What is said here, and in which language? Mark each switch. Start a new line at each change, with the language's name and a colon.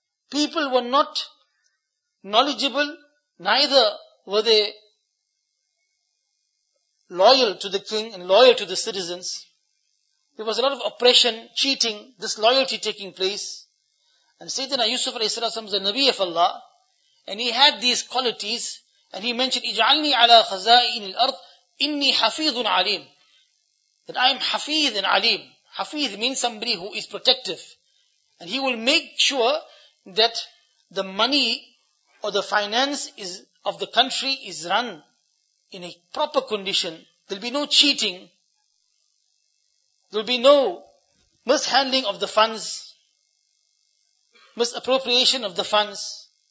English: People were not knowledgeable, neither were they loyal to the king and loyal to the citizens. There was a lot of oppression, cheating, disloyalty taking place. And Sayyidina Yusuf alayhi salam is a Nabi of Allah. And he had these qualities. And he mentioned,
Arabic: اجعلني على خزائن الأرض إني حفيظ عليم.
English: That I am حفيظ and عليم. حفيظ means somebody who is protective. And he will make sure that the money or the finance is of the country is run in a proper condition. There will be no cheating. There will be no mishandling of the funds, misappropriation of the funds.